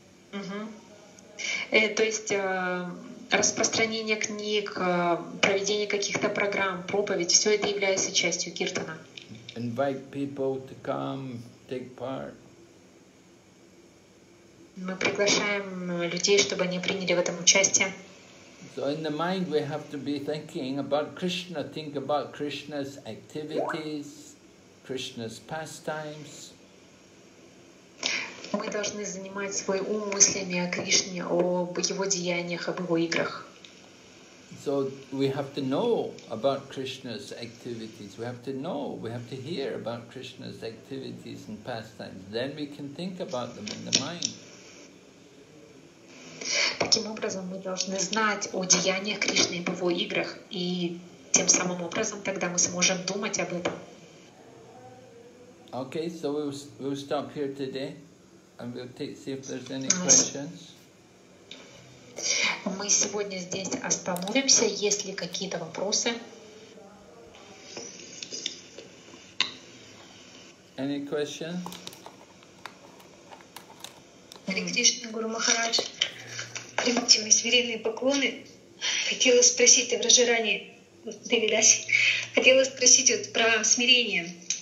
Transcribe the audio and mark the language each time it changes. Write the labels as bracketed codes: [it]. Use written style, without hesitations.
[ru] То есть распространение книг, проведение каких-то программ, проповедь, все это является частью киртана. [en] Invite people to come, take part. [ru] Мы приглашаем людей, чтобы они приняли в этом участие. [en] So in the mind we have to be thinking about Krishna, think about Krishna's activities, Krishna's pastimes. [ru] Мы должны занимать свой ум мыслями о Кришне, об его деяниях, об его играх. [en] So we have to know about Krishna's activities. We have to know, we have to hear about Krishna's activities and pastimes. Then we can think about them in the mind. [ru] Таким образом, мы должны знать о деяниях Кришны, об его играх, и тем самым образом тогда мы сможем думать об этом. [en] Okay, so we'll stop here today. And we'll take, see if there's any questions. [ru] Мы сегодня здесь остановимся. Есть ли какие-то вопросы? [en] Any question? Hare Krishna, Guru Maharaj. [ru] Примите мои смиренные поклоны. Хотела спросить, хотела спросить вот про смирение.